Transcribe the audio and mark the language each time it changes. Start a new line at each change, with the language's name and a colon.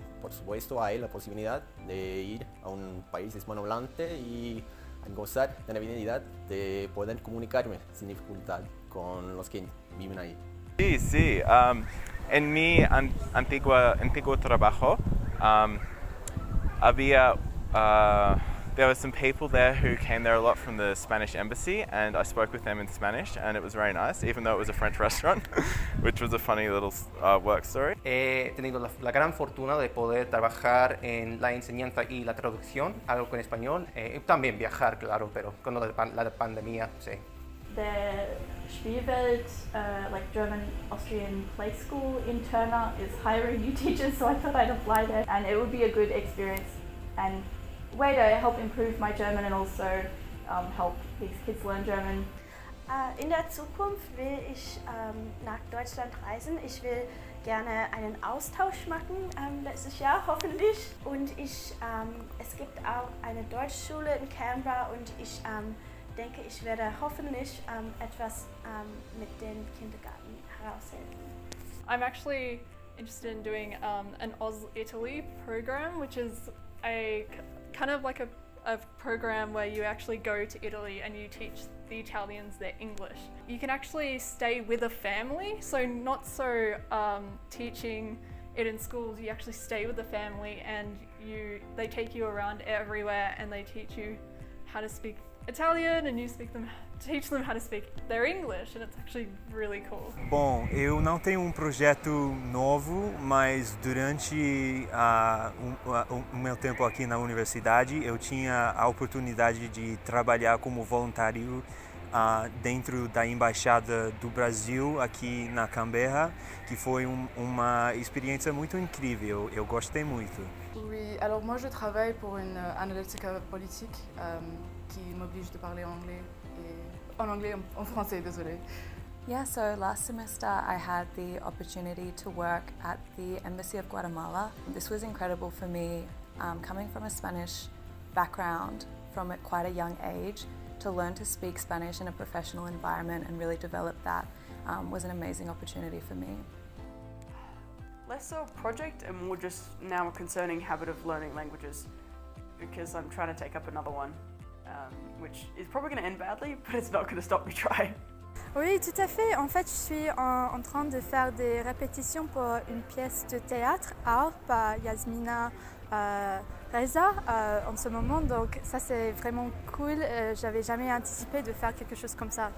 Spanish: Por supuesto, hay la posibilidad de ir a un país hispanohablante y gozar de la habilidad de poder comunicarme sin dificultad con los que viven ahí. Sí, sí. En mi antiguo trabajo había
English: there were some people there who came there a lot from the Spanish embassy, and I spoke with them in Spanish, and it was very nice, even though it was a French restaurant, which was a funny little work story.
Spanish: He tenido la gran fortuna de poder trabajar en la enseñanza y la traducción, algo con español, también viajar, claro, pero con la pandemia, sí.
English: The Spielwelt, like German Austrian play school in Turner, is hiring new teachers, so I thought I'd apply there. And it would be a good experience and way to help improve my German and also help these kids learn German.
German: In der Zukunft will ich nach Deutschland reisen. Ich will gerne einen Austausch machen, letztes Jahr hoffentlich. Und ich, es gibt auch eine Deutschschule in Canberra und ich. Ich denke, ich werde hoffentlich etwas mit dem Kindergarten heraushelfen.
English: I'm actually interested in doing an Oz Italy program, which is a kind of like a program where you actually go to Italy and you teach the Italians their English. You can actually stay with a family, so not so teaching it in schools. You actually stay with the family and they take you around everywhere and they teach you how to speak Italian and you speak them, teach them how to speak their English, and it's actually really cool.
Portuguese: Bom, eu não tenho projeto novo, mas durante o meu tempo aqui na universidade, eu tinha a oportunidade de trabalhar como voluntário dentro da Embaixada do Brasil aqui na Canberra, que foi uma experiência muito incrível. Eu gostei muito.
French: Oui, alors moi je travaille pour une analytique politique qui m'oblige de parler anglais et en anglais en français, désolé.
English: Yeah, so last semester I had the opportunity to work at the Embassy of Guatemala. This was incredible for me, coming from a Spanish background from quite a young age, to learn to speak Spanish in a professional environment and really develop that was an amazing opportunity for me. Less so a project and more just now a concerning habit of learning languages, because I'm trying to take up another one, which is probably going to end badly, but it's not going to stop me trying.
French: Oui, tout à fait. En fait, je suis en train de faire des répétitions pour une pièce de théâtre, art, par Yasmina Reza, en ce moment. Donc, ça, c'est vraiment cool. J'avais jamais anticipé de faire quelque chose comme ça.